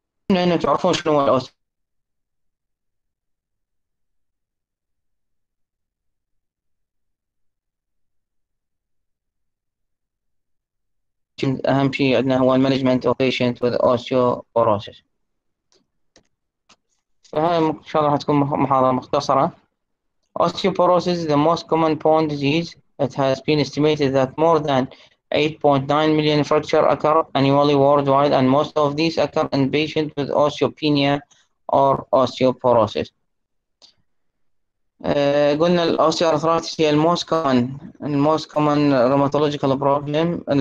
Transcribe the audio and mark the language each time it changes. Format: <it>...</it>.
<ar>اثنين تعرفون شنو هو الاوتو؟ اهم شيء عندنا هو</ar> <en>المانجمنت of patient with osteoporosis.</en> <ar>فهاي ان شاء الله هتكون محاضره مختصره.</ar> <en>Osteoporosis the most common bone disease. It has been estimated that more than 8.9 million fracture occur annually worldwide, and most of these occur in patients with osteopenia or osteoporosis. قلنا الاوستيوارثرايتس هي الموست common rheumatological problem.</en>